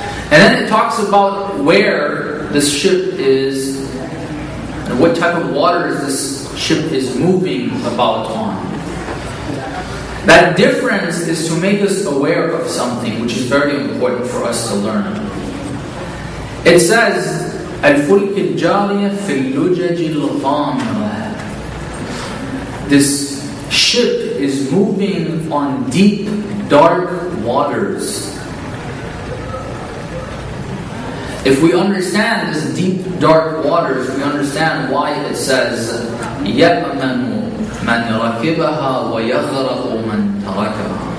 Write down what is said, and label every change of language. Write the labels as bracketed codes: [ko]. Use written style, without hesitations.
[en] And then it talks about where this ship is, and what type of water this ship is moving about on. That difference is to make us aware of something which is very important for us to learn. It says, [ar] الْفُلْكِ الْجَالِيَ فِي اللُّجَجِ الْغَامِرَةِ. [en] This ship is moving on deep, dark waters. If we understand this deep, dark waters, we understand why it says, [ar] يَأْمَنُ مَنْ رَكِبَهَا وَيَغْرَقُ مَنْ تَرَكَهَا.